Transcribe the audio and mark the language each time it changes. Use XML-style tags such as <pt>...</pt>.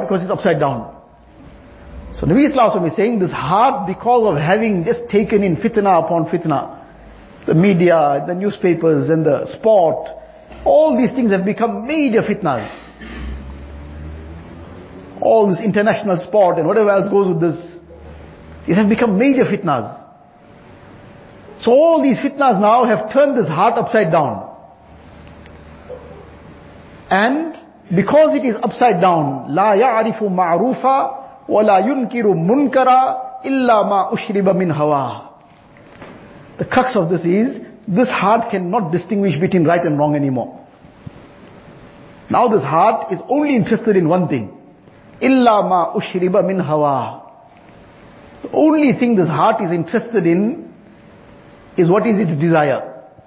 <en>Because it's upside down. So Nabi Sallallahu Alaihi Wasallam is saying, this heart, because of having just taken in fitna upon fitna, the media, the newspapers, and the sport, all these things have become major fitnas. All this international sport and whatever else goes with this, it has become major fitnas. So all these fitnas now have turned this heart upside down. And because it is upside down,</en> <ar>لا يعرف معروفا ولا ينكر منكرا إلا ما أشرب من هوا.</ar> <en>The crux of this is, this heart cannot distinguish between right and wrong anymore. Now this heart is only interested in one thing.</en> <ar>إلا ما أشرب من هوا.</ar> <en>The only thing this heart is interested in is what is its desire.</en>